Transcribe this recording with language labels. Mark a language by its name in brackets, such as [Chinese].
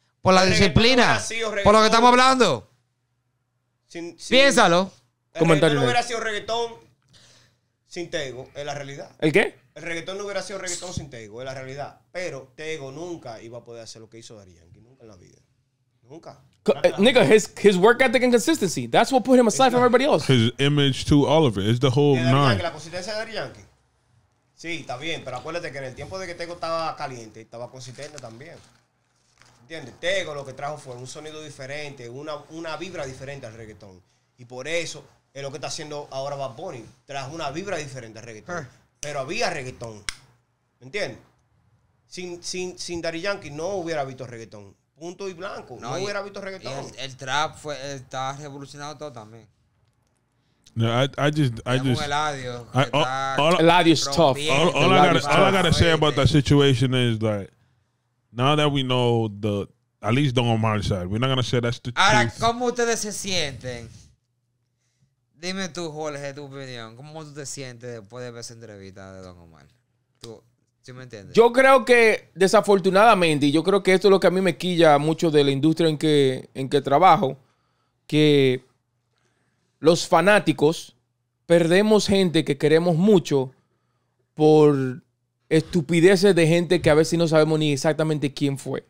[Spanish] Por la disciplina. Por lo que estamos hablando. Piénsalo. Comentario. No hubiera sido reggaetón sin Tego, es la realidad. ¿El qué? El reggaetón no hubiera sido reggaetón sin Tego, es la realidad. Pero Tego nunca iba a poder hacer lo que hizo Daddy Yankee, nunca en la vida. Nunca. [English] Nigga, his work ethic and consistency, that's what put him aside from everybody else. His image to all of it, it's the whole nine. [Spanish] La consistencia de Daddy Yankee. Sí, está bien, pero acuérdate que en el tiempo de que Tego estaba caliente, estaba consistente también. ¿Entiendes? Tego lo que trajo fue un sonido diferente, una vibra diferente al reggaetón. Y por eso es lo que está haciendo ahora Bad Bunny. Trajo una vibra diferente al reggaetón. Pero había reggaetón. ¿Me entiendes? Sin Daddy Yankee no hubiera visto reggaetón. Punto y blanco. No hubiera visto reggaetón. El trap fue, está revolucionado todo también. [English] No, I just Eladio. Eladio's tough. All I gotta say about that situation is like, now that we know the, at least Don Omar's side, we're not gonna say that's the truth. [Spanish] Ahora, ¿cómo ustedes se sienten? Dime tú, Jorge, tu opinión. ¿Cómo tú te sientes después de ver esa entrevista de Don Omar? ¿Tú, sí me entiendes? Yo creo que, desafortunadamente, y yo creo que esto es lo que a mí me quilla mucho de la industria en que trabajo, que los fanáticos perdemos gente que queremos mucho por estupideces de gente que a veces no sabemos ni exactamente quién fue.